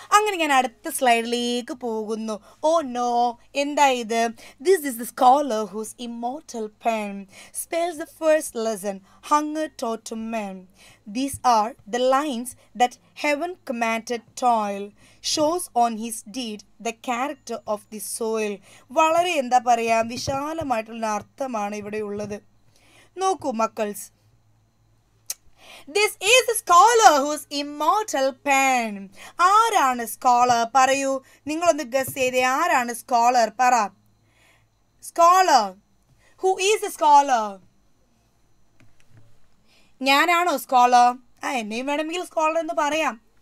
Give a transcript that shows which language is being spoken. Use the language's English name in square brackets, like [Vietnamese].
[Malayalam] അങ്ങനെ ഞാൻ അടുത്ത സ്ലൈഡിലേക്ക് പോകുന്നു. ഓ നോ, എന്താ ഇത്, [English] This is the scholar whose immortal pen spells the first lesson hunger taught men, these are the lines that heaven commanded toil shows on his deed the character of the soil. [Malayalam] വളരെ എന്താ പറയുക വിശാലമായിട്ടുള്ള അർത്ഥമാണ് ഇവിടെ ഉള്ളത്. നോക്കൂ മക്കൾസ്, [English] This is a scholar whose immortal pen. [Malayalam] ആരാണ് scholar പറയൂ, നിങ്ങളൊന്ന് ഗസ് ചെയ്തേ, ആരാണ് സ്കോളർ പറ, scholar, [English] who is a scholar, [Malayalam] ഞാനാണോ സ്കോളർ, ആ എന്നെയും വേണമെങ്കിൽ സ്കോളർ എന്ന് പറയാം.